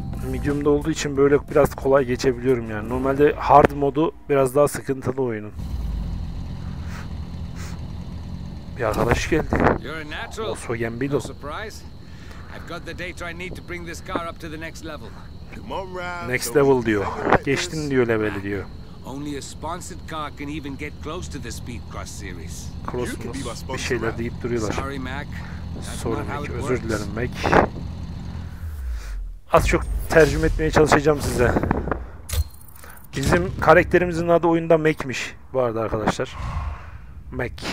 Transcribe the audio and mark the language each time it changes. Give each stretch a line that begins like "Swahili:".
Turkish: Medium'da olduğu için böyle biraz kolay geçebiliyorum yani. Normalde hard modu biraz daha sıkıntılı oyunun. Bir arkadaş geldi. Oso Gambido. Next level diyor. Geçtin diyor level'i diyor.
English: Only a sponsored car can even get close to the Speedcross series.
Turkish: Bir şeyler deyip duruyorlar.
English: Sorry Mac.
Turkish: Özür dilerim Mac. Az çok tercüme etmeye çalışacağım size. Bizim karakterimizin adı oyunda Mac'miş bu arada arkadaşlar. Mac.